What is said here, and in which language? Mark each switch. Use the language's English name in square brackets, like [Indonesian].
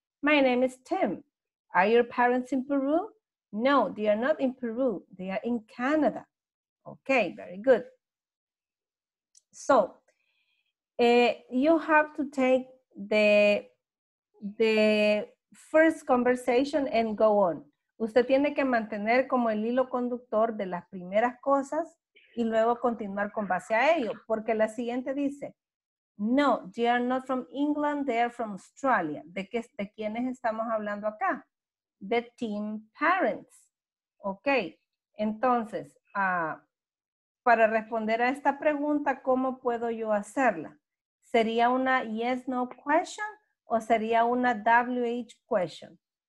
[English] My name is Tim. Are your parents in Peru? No, they are not in Peru. They are in Canada. Ok, very good. So, you have to take the first conversation and go on. [Spanish] Usted tiene que mantener como el hilo conductor de las primeras cosas y luego continuar con base a ello. Porque la siguiente dice, [English] no, they are not from England, they are from Australia. [Spanish] ¿De quiénes estamos hablando acá? [English] The team parents. [Spanish] Ok, entonces, para responder a esta pregunta, ¿cómo puedo yo hacerla? ¿Sería una yes, no question? ¿O sería una WH question?